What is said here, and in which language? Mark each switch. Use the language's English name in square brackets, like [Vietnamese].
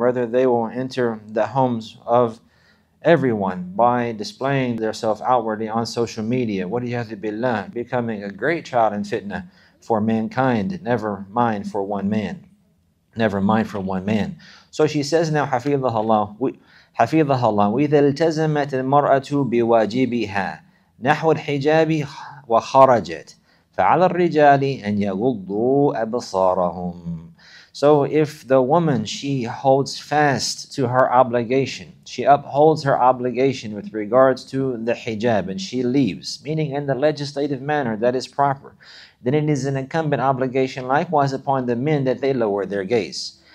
[English] Rather, they will enter the homes of everyone by displaying themselves outwardly on social media. What do you have to be learned? Becoming a great child in fitna for mankind. Never mind for one man. Never mind for one man. So she says now, [Arabic] حَفِظَهَ اللَّهُ, حفظها الله وإذا التزمت المرأة بواجبها نحو الحجاب وخرجت فعلى الرجال أن يغضوا أبصارهم. [English] So if the woman, she holds fast to her obligation, she upholds her obligation with regards to the hijab and she leaves, meaning in the legislative manner that is proper, then it is an incumbent obligation likewise upon the men that they lower their gaze.